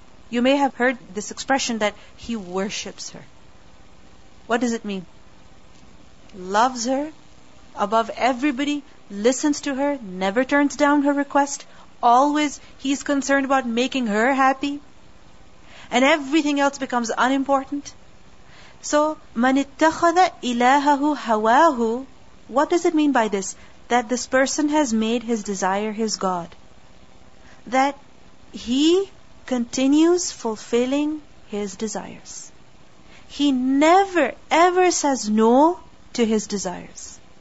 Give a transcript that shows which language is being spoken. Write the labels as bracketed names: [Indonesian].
[English] You may have heard this expression that he worships her. What does it mean? Loves her above everybody, listens to her, never turns down her request, always he's concerned about making her happy, and everything else becomes unimportant. [Arabic] So, مَنِ اتَّخَذَ إِلَاهَهُ هَوَاهُ. [English] What does it mean by this? That this person has made his desire his God. That he continues fulfilling his desires. He never ever says no to his desires.